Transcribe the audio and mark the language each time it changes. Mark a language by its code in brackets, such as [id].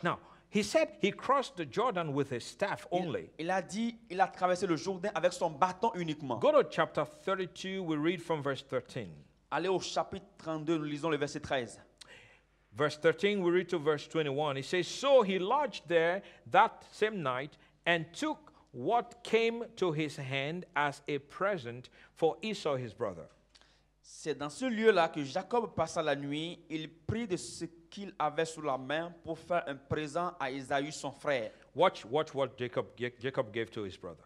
[en] Now, he said he crossed the Jordan with his staff only. [fr] Il a dit il a traversé le Jourdain avec son bâton uniquement. [en] Go to chapter 32, we read from verse 13. [fr] Allez au chapitre 32, nous lisons le verset 13. [en] Verse 13, we read to verse 21. He says, so he lodged there that same night, and took what came to his hand as a present for Esau his brother. [fr] C'est dans ce lieu-là que Jacob passa la nuit. Il prit de ce qu'il avait sous la main pour faire un présent à Esaü son frère. [en] Watch what Jacob gave to his brother.